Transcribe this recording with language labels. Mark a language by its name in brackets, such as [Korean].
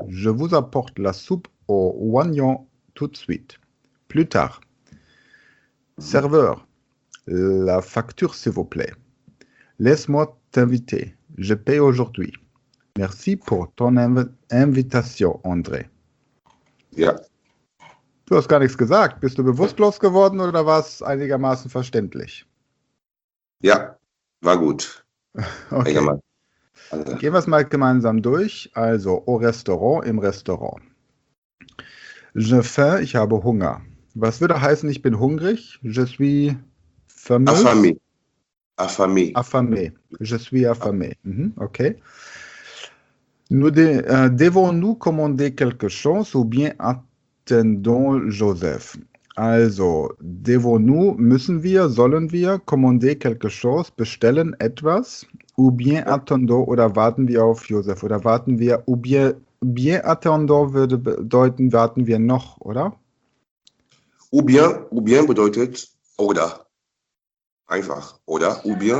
[French] Je vous apporte la soupe aux oignons tout de suite. Plus tard. Serveur, la facture, s'il vous plaît. Laisse-moi t'inviter. Je paye aujourd'hui. Merci pour ton invitation, André. [German] Ja. Du hast gar nichts gesagt. Bist du bewusstlos geworden oder war es einigermaßen verständlich? Ja, war gut. Okay. Einigermaßen. Also. Gehen wir es mal gemeinsam durch. Also, [French] au Restaurant, [German] im Restaurant. [French] J'ai faim, [German] ich habe Hunger. Was würde heißen, ich bin hungrig? [French] Je suis fameux. Affamé. Affamé. Affamé. Je suis affamé. Okay. Devons-nous commander quelque chose ou bien attendons Joseph? [German] Also, [French] devons-nous, [German] müssen wir, sollen wir [French] commander quelque chose, [German] bestellen etwas [French] ou bien attendons [German] oder warten wir auf Joseph oder warten wir, ou bien attendons würde bedeuten, warten wir noch, oder? Ou bien bedeutet oder. Einfach, oder? Ou bien.